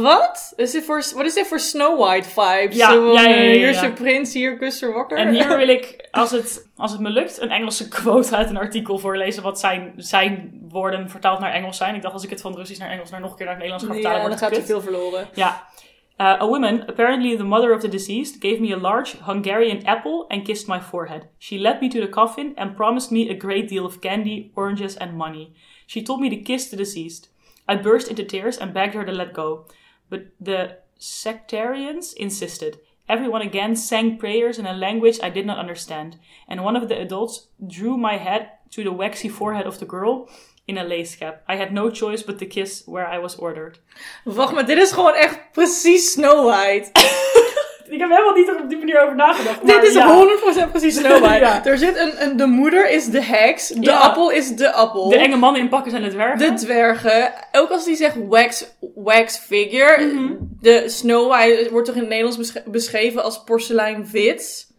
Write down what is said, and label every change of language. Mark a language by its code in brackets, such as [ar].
[nl] Wat is dit voor Snow White vibes? Ja, hier is je prins, hier kust er wakker. En hier wil ik, als het me lukt, een Engelse quote uit een artikel voorlezen wat zijn woorden vertaald naar Engels zijn. Ik dacht, als ik het van Russisch naar Engels, maar nog een keer naar het Nederlands ga vertalen, dan gaat er veel verloren. Ja. [en] A woman, apparently the mother of the deceased, gave me a large Hungarian apple and kissed my forehead. She led me to the coffin and promised me a great deal of candy, oranges and money. She told me to kiss the deceased. I burst into tears and begged her to let go. But the sectarians insisted. Everyone again sang prayers in a language I did not understand. And one of the adults drew my head to the waxy forehead of the girl in a lace cap. I had no choice but to kiss where I was ordered. [nl] Wacht maar, dit is gewoon echt precies Snow White. Ik heb helemaal niet op die manier over nagedacht. Dit is 100% precies Snow White. Ja. Er zit een de moeder is de heks. De appel is de appel. De enge mannen in pakken zijn de dwergen. De dwergen. Ook als die zegt [en] wax figure. Mm-hmm. [nl] De Snow White wordt toch in het Nederlands beschreven als porselein wit?